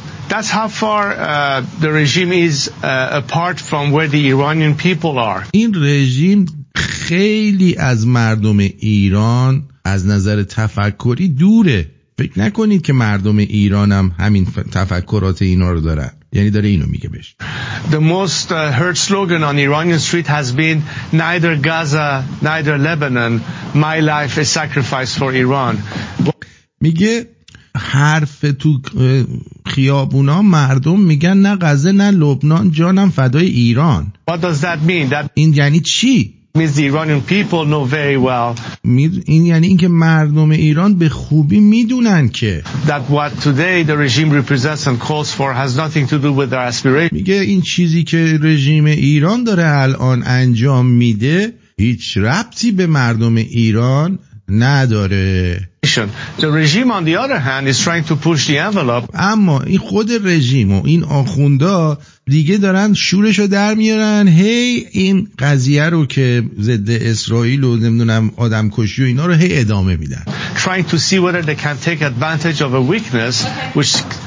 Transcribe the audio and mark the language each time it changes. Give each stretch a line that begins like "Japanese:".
English: That's how far the regime is apart from where the Iranian people are.
Persian: این رژیم خیلی از مردم ایران از نظر تفکری دوره. فکر نکنید که مردم ایران هم همین تفکرات اینا رو دارن. یعنی داره اینو میگه بهش.
English: The most heard slogan on Iranian street has been neither Gaza neither Lebanon, my life a sacrifice for Iran.
Persian: میگه حرف تو خیابونا مردم میگن نه غزه نه لبنان، جانم فدای ایران.
English: What does that mean? That
Persian: این یعنی چی؟
English: Means the Iranian people know very well.
Persian: این یعنی این که مردم ایران به خوبی میدونن که
English: that what today the regime represents and calls for has nothing to do with their aspirations.
Persian: میگه این چیزی که رژیم ایران داره الان انجام میده هیچ ربطی به مردم ایران نداره.
English: The regime on the other hand is trying to push the envelope.
Persian: اما این خود رژیم و این آخوندا دیگه دارن شورشو در میارن، هی این قضیه رو که ضد اسرائیل و نمیدونم آدم کشی و اینا رو هی ادامه میدن.
English: Trying to see whether they can take advantage of a weakness which